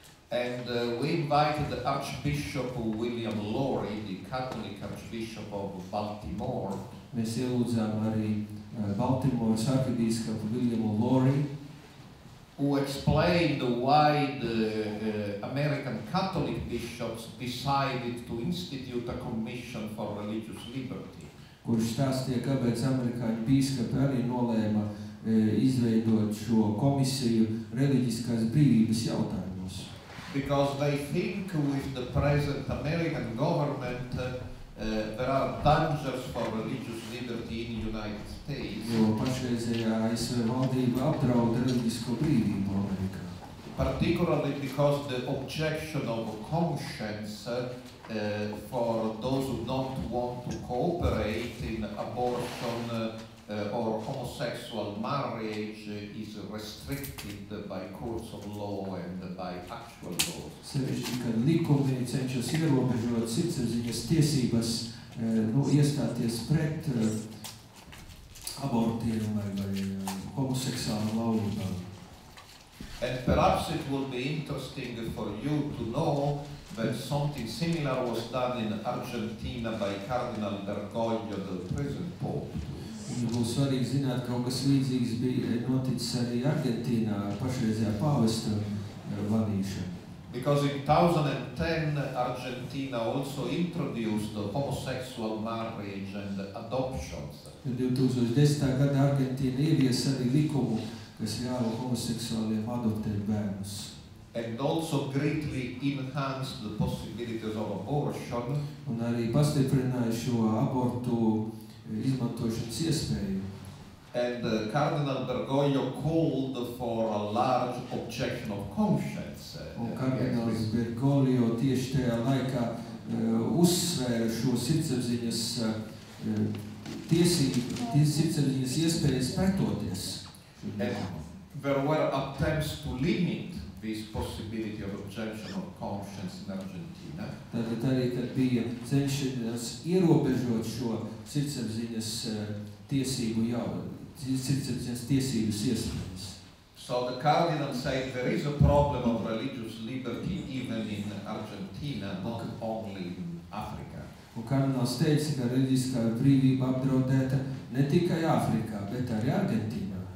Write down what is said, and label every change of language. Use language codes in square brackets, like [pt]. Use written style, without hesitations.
[en] And we invited the Archbishop William Lowry, the Catholic Archbishop of Baltimore. [lv] Mēs ielūdzām arī Baltimore arhibīskapu William Lowry, [en] who explained why the American Catholic bishops decided to institute a commission for religious liberty. [lv] Kurš stāstīja, kāpēc amerikāņu bīskapi arī nolēma izveidot šo komisiju reliģiskās brīvības jautājumā. [en] Because they think with the present American government there are dangers for religious liberty in the United States. [lv] Jo pašreizējā ASV valdība apdraud reliģisko brīvību Amerikā. [en] Particularly because the objection of conscience for those who don't want to cooperate in abortion or homosexual marriage is restricted by courts of law and by actual laws. [lv] Sevišķi, kad likumi cenšas ierobežot sirdsapziņas tiesības nu, iestāties pret abortiem vai homoseksuālu laulībām. [en] And perhaps it would be interesting for you to know that something similar was done in Argentina by Cardinal Bergoglio, the present pope. [lv] Būs svarīgi zināt, kaut kas līdzīgs bija noticis arī Argentīnā pašreizējā pavesta vadīšana. [en] Because in 2010 Argentina also introduced homosexual marriage and adoptions. [lv] 2010. Gada Argentīna ieviesa arī likumu, kas ļāva homoseksuāliem adoptēt bērnus. [en] And also greatly enhanced the possibilities of abortion. [lv] Un arī pastiprināja šo abortu izmantošanas iespēju. [en] And Cardinal Bergoglio called for a large objection of conscience. [lv] Un Cardinal Bergoglio tieši tajā laikā uzsvēra šo sirdsapziņas iespējas pretoties. [en] And there were attempts to limit this possibility of objection of conscience in Argentina. [lv] Tātad arī, kad bija cenšanās ierobežot šo sirdsapziņas tiesību jau, sirdsapziņas tiesības iespējas. [en] So the cardinal said there is a problem of religious liberty even in Argentina, not only in Africa. [lv] Un kardināls teica, ka reliģiskā brīvība apdraudēta ne tikai Afrikā, bet arī Argentīnā.